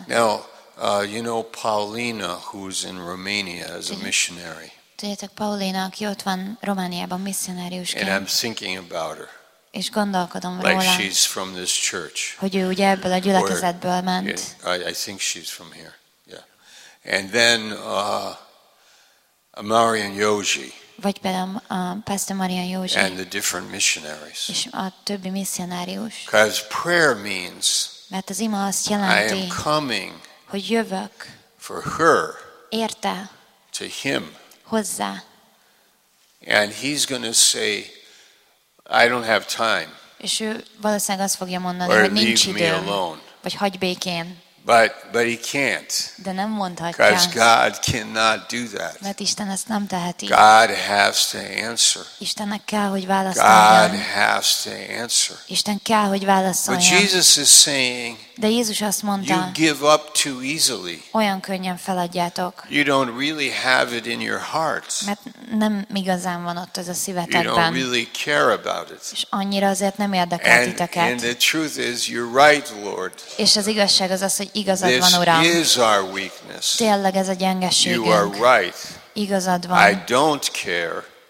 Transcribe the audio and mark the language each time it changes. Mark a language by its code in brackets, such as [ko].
[en] Now, you know Paulina, who's in Romania as a missionary. [hu] Tudjátok, Paulina, aki ott van Romániában misszionáriusként. [en] And I'm thinking about her. [hu] És gondolkodom [en] like [hu] róla. [en] She's from this church. [hu] Hogy ő ugye ebből a gyülekezetből ment. [en] Or, I think she's from here. Yeah. And then Marian Józsi. [hu] Vagy például Pastor Marian Józsi. [en] And the different missionaries. [hu] És a többi misszionárius. [en] Because prayer means. [hu] Mert az ima azt jelenti. [en] I am coming. [hu] Hogy jövök. [en] For her. [hu] Érte. [en] To him. [hu] Hozzá. [en] And he's going to say, I don't have time. [hu] És ő valószínűleg azt fogja mondani, hogy nincs időm. Vagy hagyj békén. [en] But he can't. [hu] De nem mondhatja. [en] Because God cannot do that. [hu] Mert Isten ezt nem teheti. [en] God has to answer. [hu] Istennek kell, hogy válaszoljon. [en] God has to answer. [hu] Isten kell, hogy válaszoljon. [en] But Jesus is saying, [hu] de Jézus azt mondta, [en] you give up too easily. [hu] Olyan könnyen feladjátok. [en] You don't really have it in your heart. [hu] Mert nem igazán van ott ez a szívetekben. [en] You don't really care about it. [hu] És annyira azért nem érdekel titeket. [en] And the truth is, you're right, Lord. [hu] És az igazság az az, hogy igazad van, Uram. [en] This is our weakness. [hu] Tényleg ez a gyengeségünk. [en] You are right. [hu] Igazad van. [en] I don't care.